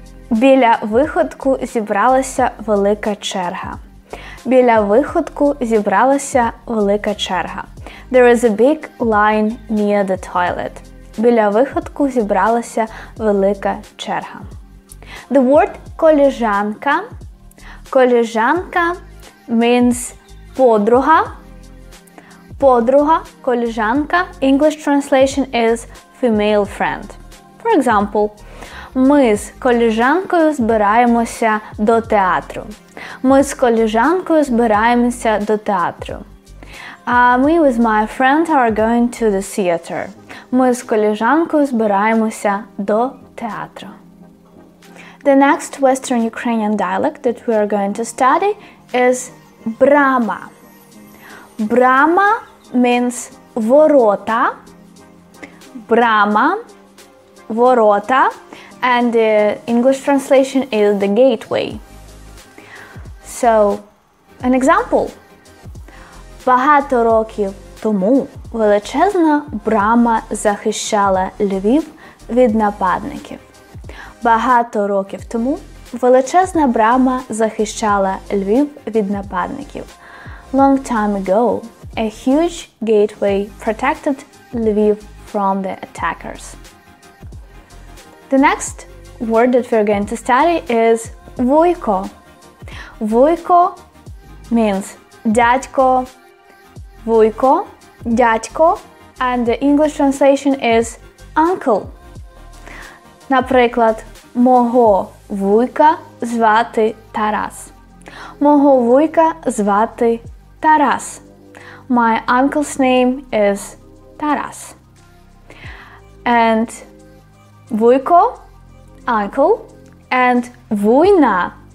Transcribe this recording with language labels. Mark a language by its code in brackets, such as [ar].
[uk] Біля виходку зібралася велика черга. Біля виходку зібралася велика черга. [en] There is a big line near the toilet. [uk] Біля виходку зібралася велика черга. [en] The word коліжанка. Коліжанка means подруга. Подруга, коліжанка. English translation is female friend. For example, [uk] ми з коліжанкою збираємося до театру. Ми з коліжанкою збираємося до театру. Ми з [en] my friend are going to the theater. [uk] Ми з колежанкою збираємося до театру. [en] The next Western Ukrainian dialect that we are going to study is Brama. Brama means ворота. Brama, ворота, and the English translation is the gateway. So, an example. [uk] Багато років тому величезна брама захищала Львів від нападників. Багато років тому величезна брама захищала Львів від нападників. [en] Long time ago, a huge gateway protected Lviv from the attackers. The next word that we're going to study is Vuyko. Vuyko means дядько. Vuyko, дядько, and the English translation is uncle. [uk] Наприклад, мого вуйка звати Тарас. Мого вуйка звати Тарас. [en] My uncle's name is Тарас. And вуйко, uncle, and вуйна.